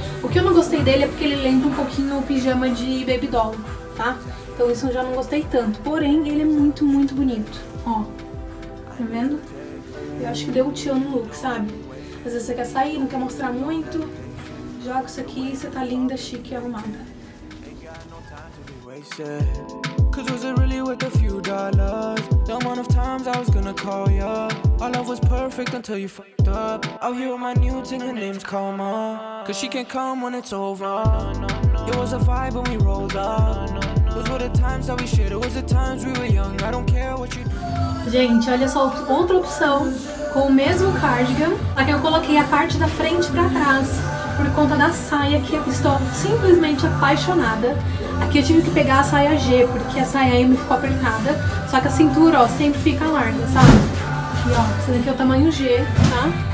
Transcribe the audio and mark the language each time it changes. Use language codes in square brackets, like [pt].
[pt] O que eu não gostei dele é porque ele lembra um pouquinho o pijama de baby doll, tá? Então isso eu já não gostei tanto. Porém, ele é muito, muito bonito. Ó, tá vendo? Eu acho que deu um tchan no look, sabe? Às vezes você quer sair, não quer mostrar muito. Joga isso aqui e você tá linda, chique e arrumada. [en] Cause was it really worth a few dollars? The amount of times I was gonna call ya. Our love was perfect until you fucked up. Out here with my new ting, her name's Karma. Cause she can't come when it's over. It was a vibe when we rolled up. Those were the times that we shared. It was the times we were young. I don't care what you do. [pt] Gente, olha só outra opção com o mesmo cardigan. Só que eu coloquei a parte da frente pra trás por conta da saia que eu estou simplesmente apaixonada. Aqui eu tive que pegar a saia G, porque a saia M ficou apertada. Só que a cintura, ó, sempre fica larga, sabe? Aqui, ó, essa daqui é o tamanho G, tá?